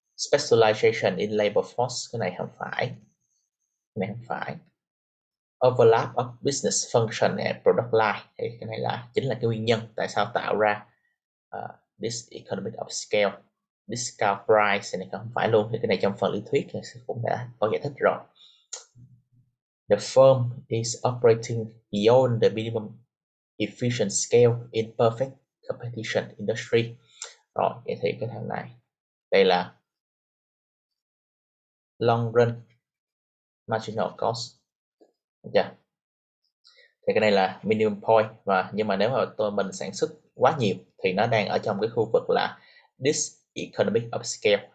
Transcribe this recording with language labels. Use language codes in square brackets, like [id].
[en] Specialization in labor force, [vi] cái này không phải. Cái này không phải. [en] Overlap of business function and product line, [vi] thì cái này là chính là cái nguyên nhân tại sao tạo ra this economic of scale. Discount price thì này không phải luôn, thì cái này trong phần lý thuyết thì cũng đã có giải thích rồi. [en] The firm is operating beyond the minimum efficient scale in perfect competition industry. [vi] Rồi, vậy thì cái thằng này, đây là long run marginal cost. Được chưa? Thì cái này là minimum point, và nhưng mà nếu mà mình sản xuất quá nhiều thì nó đang ở trong cái khu vực là this economic of scale.